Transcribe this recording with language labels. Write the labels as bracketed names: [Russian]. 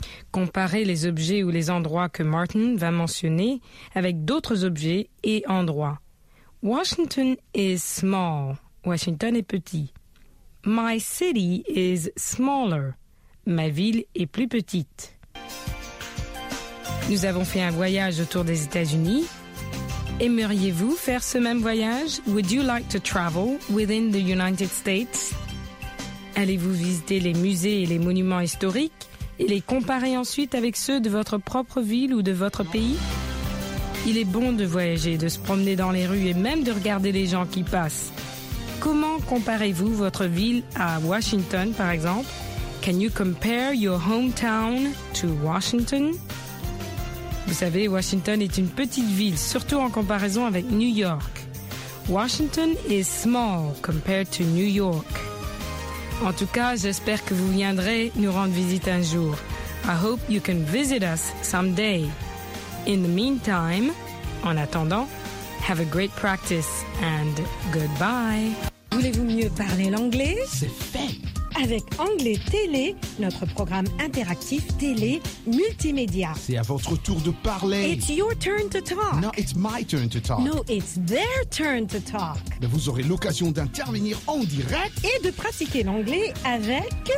[French] Comparez les objets ou les endroits que Martin va mentionner avec d'autres objets et endroits. [English] Washington is small. [French] Washington est petit. [English] My city is smaller. [French] Ma ville est plus petite. Nous avons fait un voyage autour des États-Unis. Aimeriez-vous faire ce même voyage? [English] Would you like to travel within the United States? [French] Allez-vous visiter les musées et les monuments historiques et les comparer ensuite avec ceux de votre propre ville ou de votre pays? Il est bon de voyager, de se promener dans les rues et même de regarder les gens qui passent. Comment comparez-vous votre ville à Washington, par exemple? [English] Can you compare your hometown to Washington? [French] Vous savez, Washington est une petite ville, surtout en comparaison avec New York. [English] Washington is small compared to New York. [French] En tout cas, j'espère que vous viendrez nous rendre visite un jour. [English] I hope you can visit us someday. In the meantime, [French] en attendant, [English] have a great practice and goodbye. [French] Voulez-vous mieux parler l'anglais? C'est fait! Avec Anglais Télé, notre programme interactif télé multimédia. C'est à votre tour de parler. [English] It's your turn to talk. No, it's my turn to talk. No, it's their turn to talk. [French] Mais vous aurez l'occasion d'intervenir en direct. Et de pratiquer l'anglais avec...